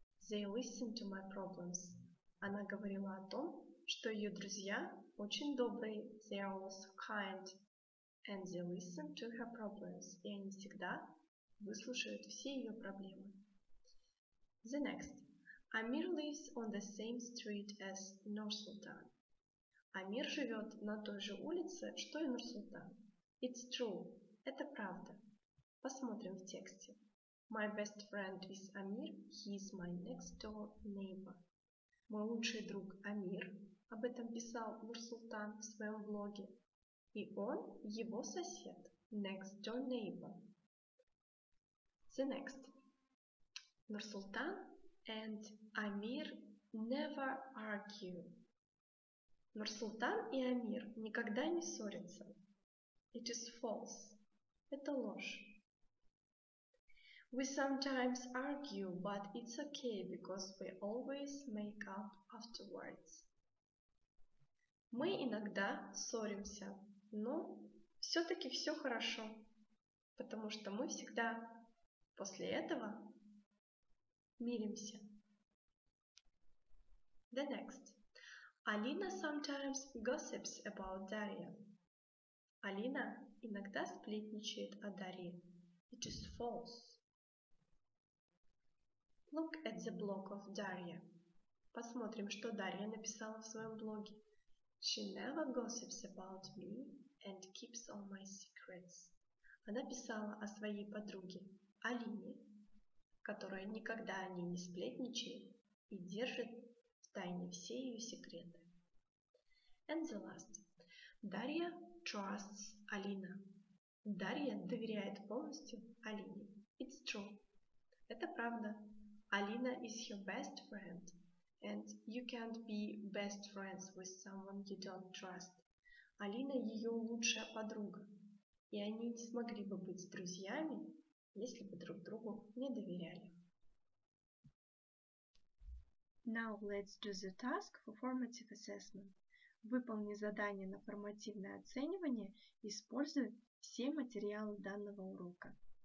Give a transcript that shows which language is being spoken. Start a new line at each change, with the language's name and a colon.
English: They listen to my problems.
Russian: Она говорила о том, что ее друзья очень добрые.
English: They are always kind. And they listen to her problems.
Russian: И они всегда выслушают все ее проблемы.
English: The next. Amir lives on the same street as Nursultan.
Russian: Amir живет на той же улице, что и Нурсултан.
English: It's true.
Russian: Это правда. Посмотрим в тексте.
English: My best friend is Amir. He is my next door neighbor.
Russian: Мой лучший друг Амир. Об этом писал Нурсултан в своем блоге. И он его сосед.
English: Next door neighbor. The next. Нурсултан and Amir never argue.
Russian: Нурсултан и Амир никогда не ссорятся.
English: It is false.
Russian: Это ложь.
English: We sometimes argue, but it's okay because we always make up afterwards.
Russian: Мы иногда ссоримся, но все-таки все хорошо, потому что мы всегда после этого миримся.
English: The next. Alina sometimes gossips about Daria.
Russian: Alina иногда сплетничает о Дарье.
English: It is false. Look at the blog of Daria.
Russian: Посмотрим, что Дарья написала в своем блоге.
English: She never gossips about me and keeps all my secrets.
Russian: Она писала о своей подруге Алине, которая никогда о ней не сплетничает и держит в тайне все ее секреты.
English: And the last. Дарья trusts Алина.
Russian: Дарья доверяет полностью Алине.
English: It's true.
Russian: Это правда.
English: Алина is her best friend. And you can't be best friends with someone you don't trust.
Russian: Алина ее лучшая подруга. И они не смогли бы быть друзьями, если бы друг другу не доверяли.
English: Now let's do the task for formative assessment.
Russian: Выполни задание на формативное оценивание, используя все материалы данного урока.